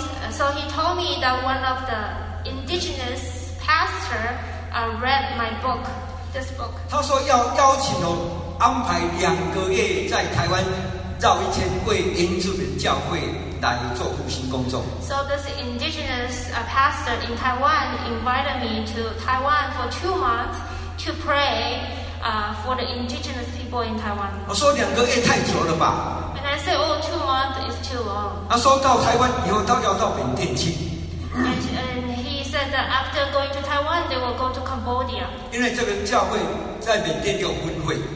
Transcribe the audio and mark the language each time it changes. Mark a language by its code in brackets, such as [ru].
[en] So he told me that one of the indigenous pastor read my book, this book. [zh] 他说要邀请我安排2个月在台湾。” 绕一圈为原住民教会来做复兴工作。 [en] So this indigenous pastor in Taiwan invited me to Taiwan for 2 months to pray for the indigenous people in Taiwan. [zh] 我说2个月太久了吧。 [en] And I said, oh, 2 months is too long. [zh] 他说到台湾以后，他要到缅甸去。 [en] And he said that after going to Taiwan, they will go to Cambodia. [zh] 因为这个教会在缅甸有分会。